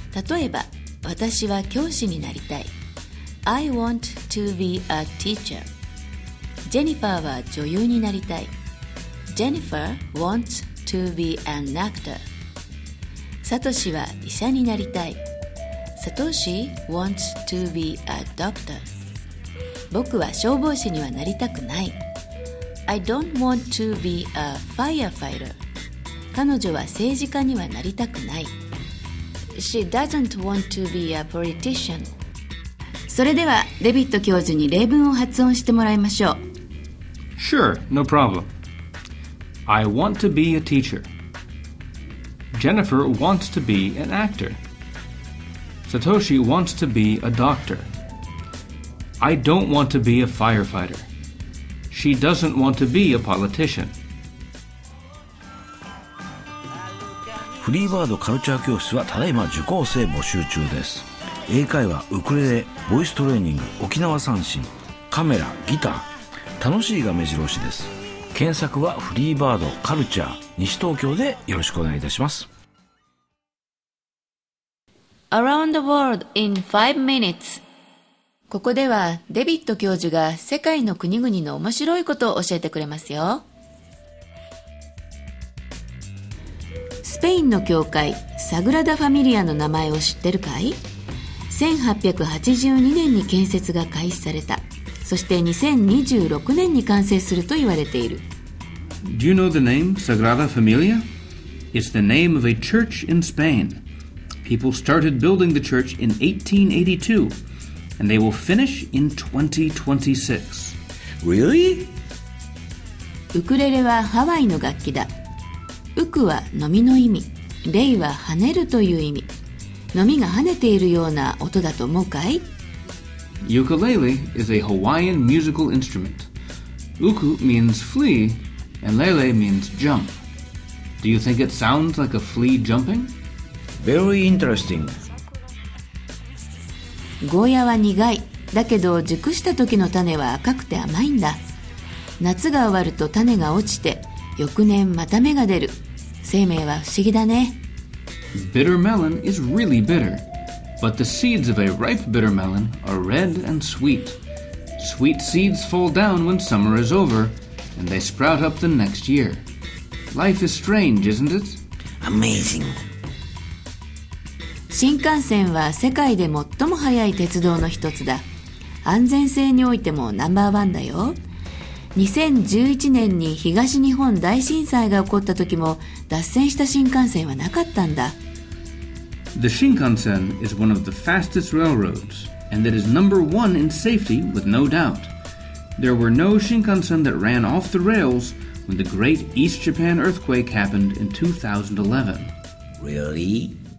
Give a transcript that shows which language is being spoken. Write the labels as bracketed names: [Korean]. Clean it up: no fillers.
[Japanese] 例えば私は教師になりたい。 [English] I want to be a teacher. [Japanese] ジェニファーは女優になりたい。 [English] Jennifer wants to be an actor。 [Japanese] サトシは医者になりたい。 [English] サトシ wants to be a doctor。 [Japanese] 僕は消防士にはなりたくない。 [English] I don't want to be a firefighter。 [Japanese] 彼女は政治家にはなりたくない。 [English] She doesn't want to be a politician。 [Japanese] それではデビッド教授に例文を発音してもらいましょう。 [English] Sure, no problem. I want to be a teacher. Jennifer wants to be an actor. Satoshi wants to be a doctor. I don't want to be a firefighter. She doesn't want to be a politician. [Japanese] フリーバードカルチャー教室はただいま受講生募集中です。英会話、ウクレレ、ボイストレーニング、沖縄三線、カメラ、ギター、楽しいが目白押しです。検索はフリーバードカルチャー西東京でよろしくお願いいたします。 [English] Around the world in 5 minutes。 [Japanese] ここではデビッド教授が世界の国々の面白いことを教えてくれますよ。スペインの教会、サグラダ・ファミリアの名前を知ってるかい？ 1882年に建設が開始された。そして2026年に完成すると言われている。 [English] Do you know the name Sagrada Familia? It's the name of a church in Spain. People started building the church in 1882 and they will finish in 2026. Really? [Japanese] ウクレレはハワイの楽器だ。ウクは飲みの意味、レイは跳ねるという意味。波が跳ねているような音だと思うかい？ [English] Ukulele is a Hawaiian musical instrument. Uku means flea and lele means jump. Do you think it sounds like a flea jumping? Very interesting. [Japanese] ゴーヤは苦い。だけど熟した時の種は赤くて甘いんだ。夏が終わると種が落ちて、翌年また芽が出る。生命は不思議だね。 [English] Bitter melon is really bitter, but the seeds of a ripe bitter melon are red and sweet. Sweet seeds fall down when summer is over, and they sprout up the next year. Life is strange, isn't it? Amazing. [Japanese] 新幹線は世界で最も速い鉄道の一つだ。安全性においてもナンバーワンだよ。2011年に東日本大震災が起こった時も脱線した新幹線はなかったんだ。 [English] The Shinkansen is one of the fastest railroads and it is number one in safety with no doubt. There were no Shinkansen that ran off the rails when the Great East Japan Earthquake happened in 2011. Really?